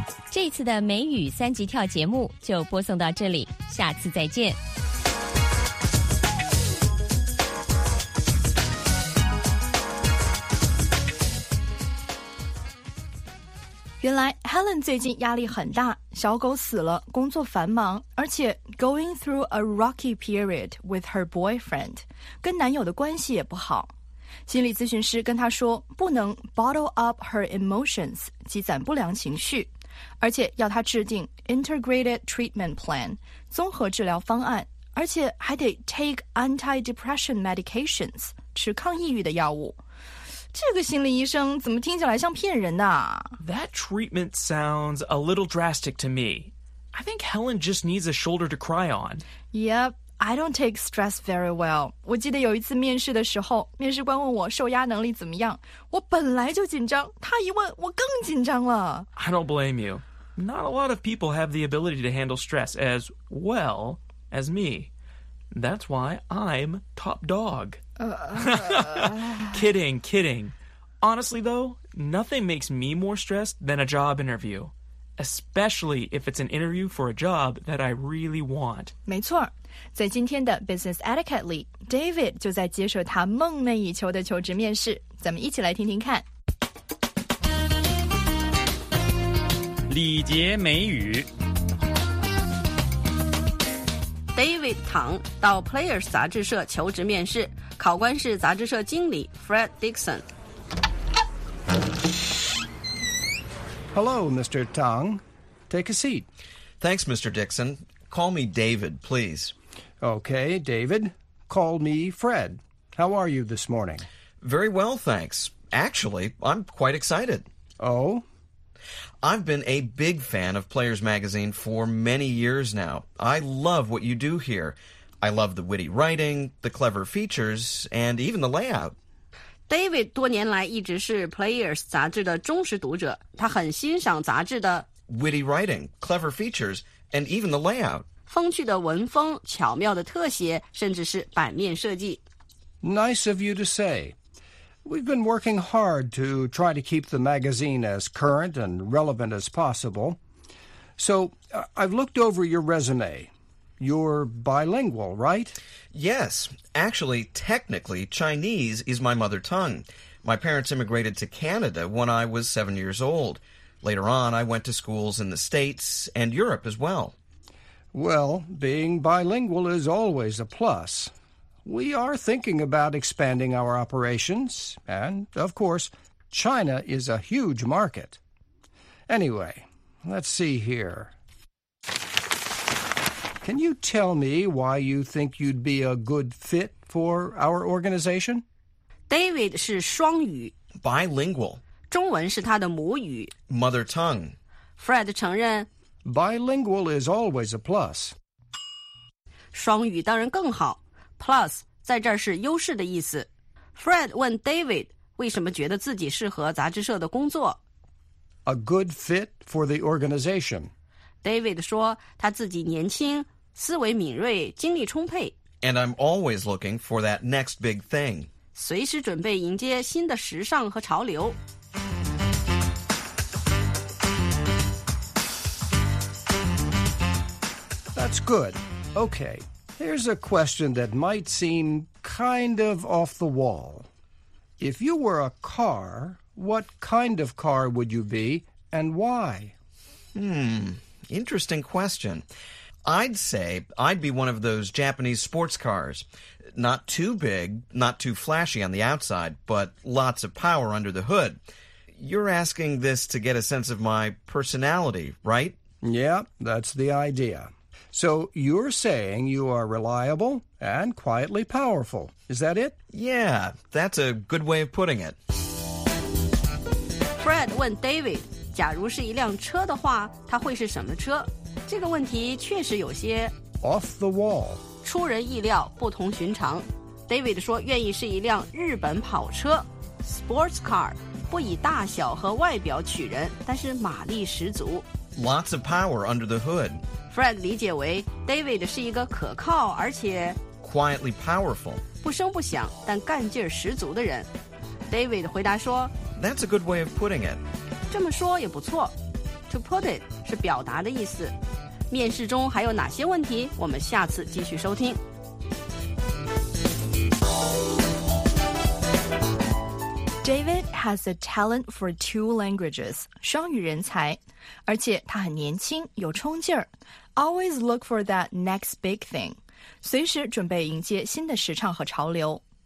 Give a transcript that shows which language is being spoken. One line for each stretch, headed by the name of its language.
Chinese: 这次的美语三级跳节目就播送到这里，下次再见。原来 Helen 最近压力很大，小狗死了，工作繁忙，而且
English: going through a rocky period with her boyfriend，
Chinese: 跟男友的关系也不好。心理咨询师跟她说，不能
English: bottle up her emotions，
Chinese: 积攒不良情绪，而且要她制定
English: integrated treatment plan，
Chinese: 综合治疗方案，而且还得
English: take anti-depression medications，
Chinese: 吃抗抑郁的药物。这个心理医生怎么听起来像骗人呢
English: ？That treatment sounds a little drastic to me. I think Helen just needs a shoulder to cry on. Yep, I don't take stress very well.
Chinese: 我记得有一次面试的时候，面试官问我受压能力怎么样，我本来就紧张，他一问我更紧张了。
English: I don't blame you. Not a lot of people have the ability to handle stress as well as me. That's why I'm top dog. kidding. Honestly, though, nothing makes me more stressed than a job interview, especially if it's an interview for a job that I really want.
Chinese: 没错，在今天的 Business Etiquette 里， David 就在接受他梦寐以求的求职面试。咱们一起来听听看。礼节美语。 David 唐到 Players 杂志社求职面试，考官是杂志社经理 Fred Dixon。
English: Hello, Mr. Tang. Take a seat. Thanks, Mr. Dixon. Call me David, please. Okay, David. Call me Fred. How are you this morning? Very well, thanks. Actually, I'm quite excited. Oh? I've been a big fan of Players Magazine for many years now. I love what you do here. I love the witty writing, the clever features, and even the layout.
Chinese: David 多年来一直是 Players 杂志的忠实读者，他很欣赏杂志的
English: witty writing, clever features, and even the layout.
Chinese: 风趣的文风，巧妙的特写，甚至是版面设计.
English: Nice of you to say. We've been working hard to try to keep the magazine as current and relevant as possible. So I've looked over your resume. You're bilingual, right? Yes. Actually, technically, Chinese is my mother tongue. My parents immigrated to Canada when I was 7 years old. Later on, I went to schools in the States and Europe as well. Well, being bilingual is always a plus. We are thinking about expanding our operations, and, of course, China is a huge market. Anyway, let's see here. Can you tell me why you think you'd be a good fit for our organization?
Chinese: David 是双语,
English: bilingual.
Chinese: 中文是他的母语,
English: mother tongue.
Chinese: Fred 承认,
English: bilingual is always a plus.
Chinese: 双语当然更好, plus 在这儿是优势的意思. Fred 问 David 为什么觉得自己适合杂志社的工作?
English: A good fit for the organization.
Chinese: David 说他自己年轻, 思维敏锐，精力充沛。
English: And I'm always looking for that next big thing.
Chinese: 随时准备迎接新的时尚和潮流。
English: That's good. Okay, here's a question that might seem kind of off the wall. If you were a car, what kind of car would you be and why? Interesting question. I'd say I'd be one of those Japanese sports cars. Not too big, not too flashy on the outside, but lots of power under the hood. You're asking this to get a sense of my personality, right? Yeah, that's the idea. So you're saying you are reliable and quietly powerful. Is that it? Yeah, that's a good way of putting it.
Chinese: Fred 问 David, 假如是一辆车的话，它会是什么车？这个问题确实有些
English: off the wall,
Chinese: 出人意料，不同寻常。 David 说愿意是一辆日本跑车 sports car, 不以大小和外表取人，但是马力十足。
English: Lots of power under the hood.
Chinese: Fred 理解为 David 是一个可靠而且
English: quietly powerful,
Chinese: 不声不响但干劲十足的人。 David 回答说
English: That's a good way of putting it.
Chinese: 这么说也不错。
English: To put it
Chinese: 是表达的意思。面试中还有哪些问题？我们下次继续收听。
English: David has a talent for two languages,
Chinese: 双语人才, 而且他很年轻, 有冲劲儿,
English: always look for that next big thing,
Chinese: 随时准备迎接新的时尚和潮流。